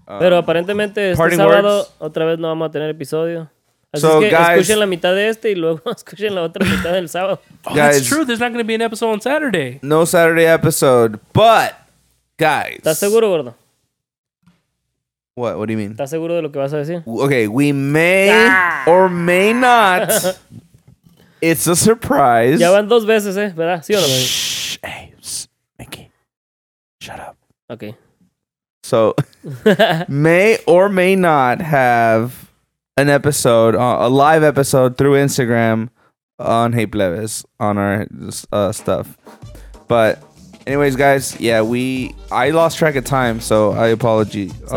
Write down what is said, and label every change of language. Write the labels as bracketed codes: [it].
[es] Pero aparentemente este sábado otra vez no vamos a tener episodio. [en] So, guys, [es] escuchen la mitad de este y luego escuchen la otra mitad del sábado. [en] Guys, it's true. There's not going to be an episode on Saturday. No Saturday episode, but guys. [es] ¿Estás seguro, gordo? [en] What do you mean? [es] ¿Estás seguro de lo que vas a decir? [en] Okay, we may or may not. It's a surprise. [es] Ya van dos veces, ¿verdad? Sí o no. [en] Shh, hey, Mickey. Shut up. Okay. So may or may not have an episode, a live episode through Instagram on Hey Plebes on our stuff. But anyways, guys, yeah, I lost track of time, so I apology.